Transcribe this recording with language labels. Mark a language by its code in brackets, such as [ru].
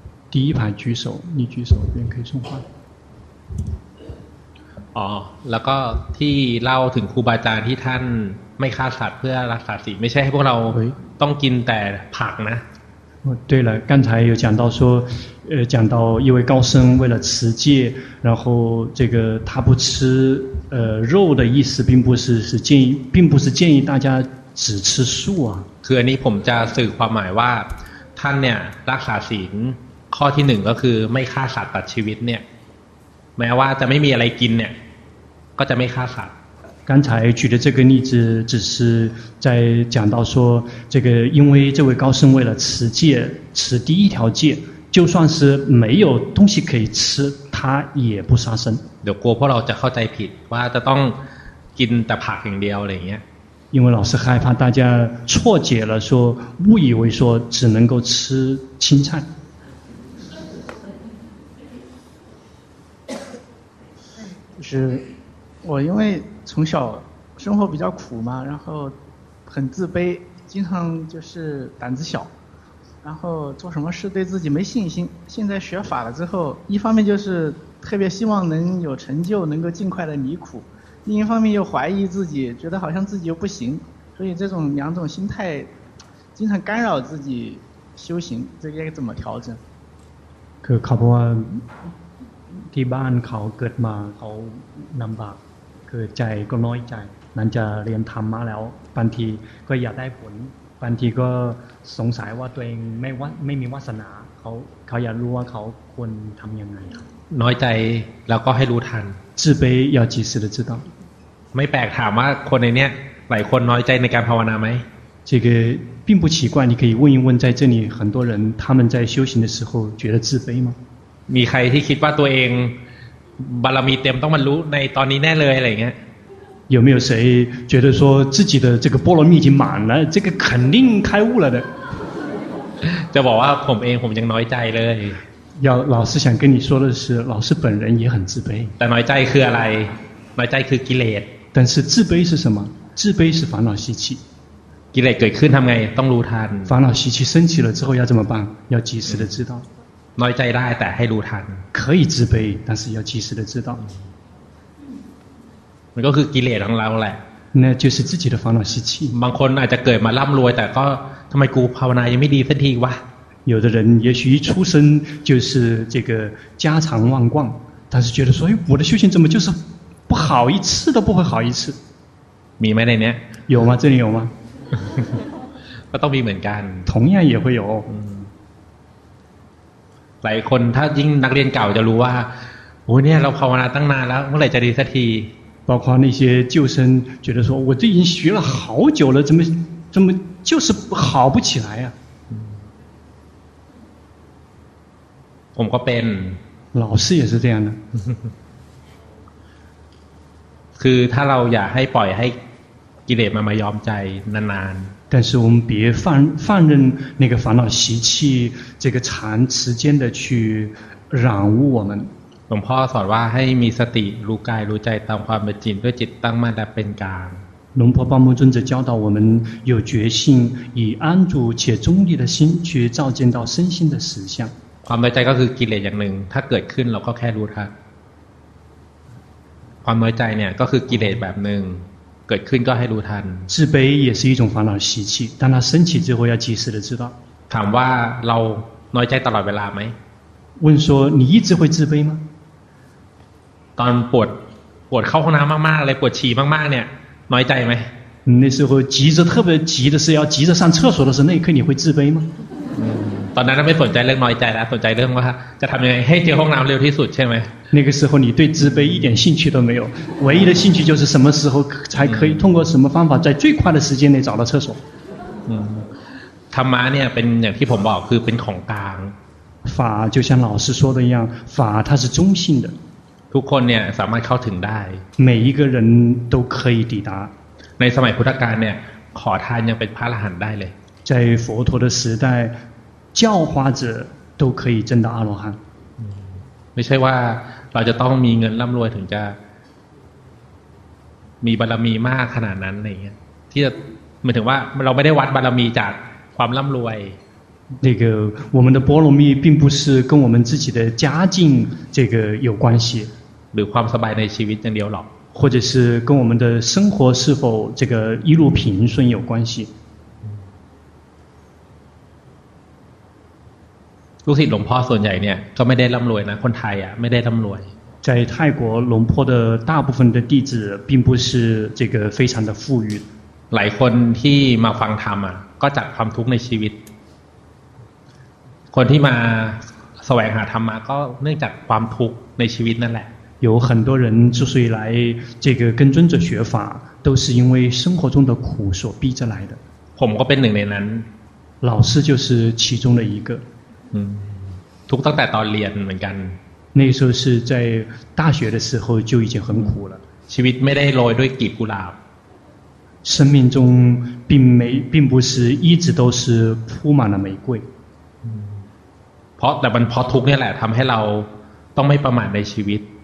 [zh] 第一排举手，你举手，别人可以送花。 [th] อ๋อแล้วก็ที่เล่าถึงครูบาอาจารย์ที่ท่านไม่ฆ่าสัตว์เพื่อรักษาศีลไม่ใช่ให้พวกเราต้องกินแต่ผักนะ [zh] 对了刚才有讲到说讲到一位高僧为了持戒然后这个他不吃肉的意思并不是建议大家只吃素啊 [th] คืออันนี้ผมจะสื่อความหมายว่าท่านเนี่ยรักษาศีลข้อที่1ก็คือไม่ฆ่าสัตว์ตัดชีวิตเนี่ยแม้ว่าจะไม่มีอะไรกินเนี่ยก็จะไม่ฆ่าสัตว์ [zh] 刚才举的这个例子只是在讲到说这个因为这位高僧为了持戒持第一条戒就算是没有东西可以吃他也不杀生 [th] เดี๋ยวกลัวพวกเราจะเข้าใจผิดว่าจะต้องกินแต่ผักอย่างเดียวอะไรเงี้ย [zh] 因为老师害怕大家错解了说误以为说只能够吃青菜是我因为从小生活比较苦嘛然后很自卑经常就是胆子小然后做什么事对自己没信心现在学法了之后一方面就是特别希望能有成就能够尽快的离苦另一方面又怀疑自己觉得好像自己又不行所以这种两种心态经常干扰自己修行这个怎么调整可靠不完 [th] ที่บ้านเขาเกิดมาเขาลำบากคือใจก็น้อยใจนั้นจะเรียนธรรมมาแล้วบางทีก็อยากได้ผลบางทีก็สงสัยว่าตัวเองไม่มีวาสนาเขาอยากรู้ว่าเขาควรทำยังไง น้อยใจแล้วก็ให้รู้ทัน [zh] 自卑要及时的知道 [th] ไม่แปลกถามว่าคนในเนี้ยหลายคนน้อยใจในการภาวนาไหม [zh] 这个并不奇怪你可以问一问在这里很多人他们在修行的时候觉得自卑吗 [th] มีใครที่คิดว่าตัวเองบารมีเต็มต้องบรรลุในตอนนี้แน่เลยอะไรเงี้ย [zh] 有没有谁觉得说自己的这个波罗蜜已经满了这个肯定开悟了的 [th] จะบอกว่าผมเองผมยังน้อยใจเลย [zh] 要老师想跟你说的是老师本人也很自卑 [th] แต่น้อยใจคืออะไรน้อยใจคือกิเลส [zh] 但是自卑是什么自卑是烦恼习气 [th] กิเลสเกิดขึ้นทำไงต้องรู้ทัน [zh] 烦恼习气升起了之后要怎么办要及时的知道 [th] น้อยใจได้แต่ให้รู้ทัน [zh] 可以自卑但是要及时的知道 [th] มันก็คือกิเลสของเราแหละ [zh] 那就是自己的烦恼习气。 [th] บางคนอาจจะเกิดมาร่ำรวยแต่ก็ทำไมกูภาวนายังไม่ดีสักทีวะ [zh] 有的人也许一出生就是这个家常万贯，但是觉得说，哎，我的修行怎么就是不好一次都不会好一次。 [th] มีไหมในนี้ [zh] 有吗？这里有吗？ [th] ก็ต้องมีเหมือนกัน [zh] 同样也会有。 [th] หลายคนถ้ายิ่งนักเรียนเก่าจะรู้ว่าโอ้เนี่ยเราภาวนาตั้งนานแล้วเมื่อไหร่จะดีสักที [zh] 包括那些旧生觉得说我这已经学了好久了怎么就是好不起来啊 [th] ผมก็เป็น [zh] 老师也是这样的 [th] คือถ้าเราอยากให้ปล่อยให้กิเลสมันมายอมใจนานๆ [zh] 但是我们别放任那个烦恼习气，这个长时间的去染污我们。龙婆说的话， [th] ให้มีสติรู้กายรู้ใจตามความเป็นจริงด้วยจิตตั้งมั่นและเป็นกลาง。 [zh] 龙婆巴木尊者教导我们有决心，以安住且中立的心去照见到身心的实相。 [th] ความไว้ใจก็คือกิเลสอย่างหนึ่ง，ถ้าเกิดขึ้นเราก็แค่รู้ทัน。 ความไว้ใจเนี่ยก็คือกิเลสแบบนึงเกิดขึ้นก็ให้รู้ทัน [zh] 自卑也是一种烦恼习气当它升起之后要及时的知道 [th] ถามว่าเราน้อยใจตลอดเวลาไหม [zh] 问说你一直会自卑吗 [th] ตอนปวดเข้าห้องน้ำมากๆเลยปวดฉี่มากๆเนี่ยน้อยใจไหม [zh] 那时候急着特别急的是要急着上厕所的时候那一刻你会自卑吗 [th] ตอนนั้นไม่สนใจเรื่องน้อยใจแล้วสนใจเรื่องว่าจะทำยังไงให้เจอห้องน้ำเร็วที่สุดใช่ไหม [zh] 那个时候你对自卑一点兴趣都没有，唯一的兴趣就是什么时候才可以通过什么方法在最快的时间内找到厕所。嗯， [th] ธรรมะเนี่ยเป็นอย่างที่ผมบอกคือเป็นของกลาง。 [zh] 法就像老师说的一样，法它是中性的。 [th] ทุกคนเนี่ยสามารถเข้าถึงได้ [zh] 。 每一个人都可以抵达。 [th] ในสมัยพุทธกาลเนี่ยขอทานยังเป็นพระอรหันต์ได้เลย。 [zh] 在佛陀的时代，教化者都可以证到阿罗汉。嗯， [th] ไม่ใช่ว่าเราจะต้องมีเงินร่ำรวยถึงจะมีบารมีมากขนาดนั้นอะไรเงี้ยที่จะหมายถึงว่าเราไม่ได้วัดบารมีจากความร่ำรวย [zh] 那个我们的波罗蜜并不是跟我们自己的家境这个有关系 [th] หรือความสบายในชีวิตอย่างเดียวหรอก [zh] 或者是跟我们的生活是否这个一路平顺有关系 [th] ลูกศิษย์หลวงพ่อส่วนใหญ่เนี่ยก็ไม่ได้ร่ำรวยนะคนไทยอ่ะไม่ได้ร่ำรวย [zh] 在泰国龙坡的大部分的弟子并不是这个非常的富裕 [th] หลายคนที่มาฟังธรรมอ่ะก็จับความทุกข์ในชีวิตคนที่มาแสวงหาธรรมะก็เนื่องจากความทุกข์ในชีวิตนั่นแหละ [zh] 有很多人之所以来这个跟尊者学法都是因为生活中的苦所逼着来的 [th] ผมก็เป็นหนึ่งในนั้น [zh] 老师就是其中的一个 [th] ทุกตั้งแต่ตอนเรียนเหมือนกัน [zh] 那时候是在大学的时候就已经很苦了 [th] ชีวิตไม่ได้โรยด้วยกลีบกุหลาบ [zh] 生命中并不是一直都是铺满了玫瑰 [th] เพราะแต่มันเพราะทุกเนี่ยแหละทำให้เราต้องไม่ประมาทในชีวิต